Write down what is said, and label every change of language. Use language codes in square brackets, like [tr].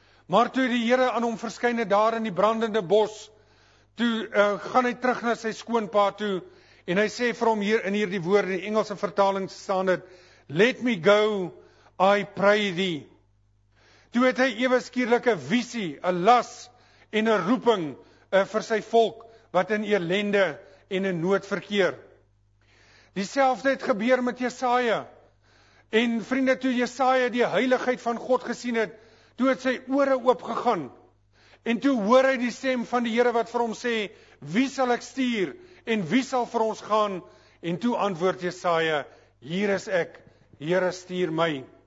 [af] Maar toe die Here aan hom verskyn het daar in die brandende bos, toe gaan hy terug na sy skoonpa toe, en hy sê vir hom hier in hierdie woord, in die Engelse vertaling staan het, [en] "Let me go, I pray thee." [af] Toe het hy ewe skielik 'n visie, 'n las en 'n roeping vir sy volk, wat in ellende en in nood verkeer. Dieselfde het gebeur met Jesaja. En vriende, toe Jesaja die heiligheid van God gesien het, toe het sy ore oopgegaan, en toe hoor hy die stem van die Here wat vir hom sê, "Wie sal ek stuur, en wie sal vir ons gaan?" En toe antwoord Jesaja, "Hier is ek, Here, stuur my."